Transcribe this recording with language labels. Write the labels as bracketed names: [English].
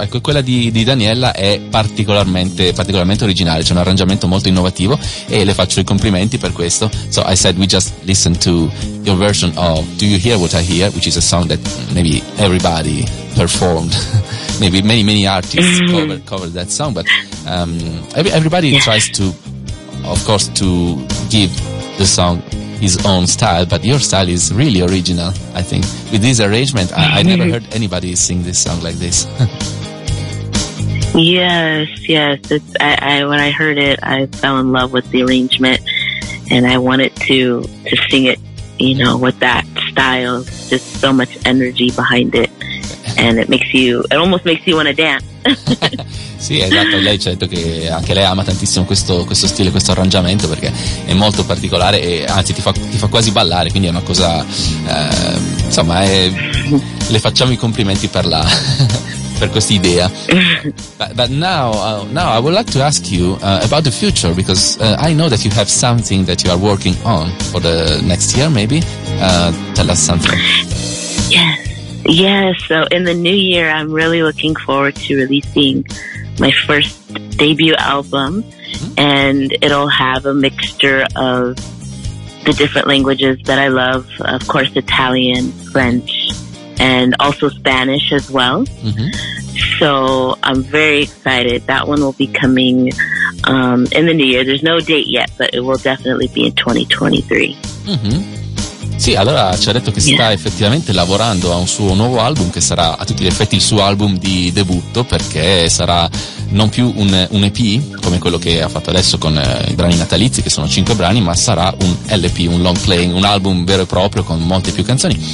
[Italian] Ecco, quella di Daniella è particolarmente particolarmente originale, c'è un arrangiamento molto innovativo e le faccio i complimenti per questo. [English] So I said we just listen to your version of Do You Hear What I Hear, which is a song that maybe everybody performed, maybe many many artists covered that song, but everybody tries to, of course, to give the song his own style, but your style is really original, I think, with this arrangement. I never heard anybody sing this song like this. yes, I when I heard it, I fell in love with the arrangement, and I wanted to sing it, you know, with that style, just so much energy behind it. And it makes you, it almost makes you want to dance. [Italian] Sì, esatto, lei ci ha detto che anche lei ama tantissimo questo stile, questo arrangiamento, perché è molto particolare e anzi ti fa quasi ballare, quindi è una cosa, insomma, le facciamo i complimenti per la per questa idea. [English] But now I would like to ask you about the future, because I know that you have something that you are working on for the next year, maybe. Tell us something. Yes, so in the new year, I'm really looking forward to releasing my first debut album, and it'll have a mixture of the different languages that I love, of course, Italian, French, and also Spanish as well. So I'm very excited. That one will be coming in the new year. There's no date yet, but it will definitely be in 2023. [Italian] Sì, allora ci ha detto che sta effettivamente lavorando a un suo nuovo album, che sarà a tutti gli effetti il suo album di debutto, perché sarà non più un EP, come quello che ha fatto adesso con i brani natalizi, che sono 5 brani, ma sarà un LP, un long play, un album vero e proprio con molte più canzoni.